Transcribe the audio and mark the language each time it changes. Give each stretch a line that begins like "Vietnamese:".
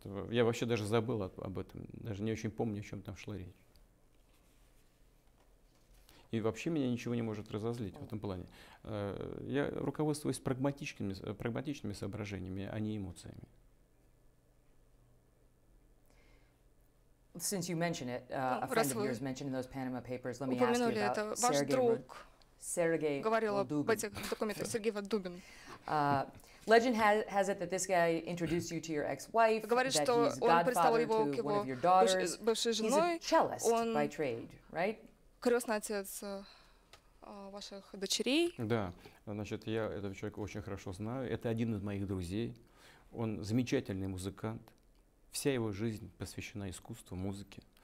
Russian: Я вообще даже забыл об этом. Даже не очень помню, о чем там шла речь. И вообще меня ничего не может разозлить в этом плане. Я руководствуюсь прагматичными соображениями, а не эмоциями.
English: Since you mentioned it, a friend of yours mentioned in those Panama Papers. Let me ask you about Sergey.
Russian: Говорил об этих документах Сергей Воддубин.
English: Legend has it that this guy introduced you to your ex-wife.
Russian: Говорит, что он представил его к его бывшей женой.
English: He's a cellist by trade, right?
Russian: Крестный отец ваших дочерей. Да, значит, я этого человека очень хорошо знаю. Это один из моих друзей. Он замечательный музыкант. Вся его жизнь посвящена искусству, музыке.